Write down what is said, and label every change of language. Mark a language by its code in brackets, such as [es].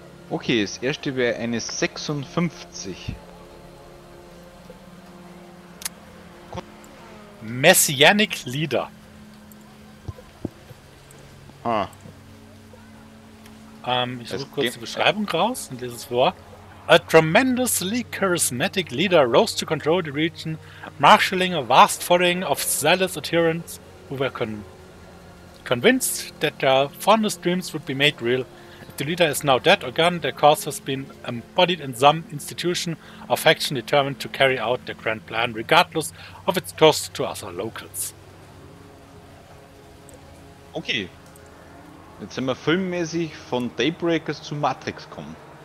[de] Okay, das erste wäre eine 56. [en] Messianic Leader. Ah. [de] Ich suche kurz die Beschreibung raus und lese es vor. [en] A tremendously charismatic leader rose to control the region, marshalling a vast following of zealous adherents who were convinced that their fondest dreams would be made real. If the leader is now dead or gone, their cause has been embodied in some institution or faction determined to carry out their grand plan, regardless of its cost to other locals. [de] Okay. Jetzt sind wir filmmäßig von Daybreakers zu Matrix gekommen.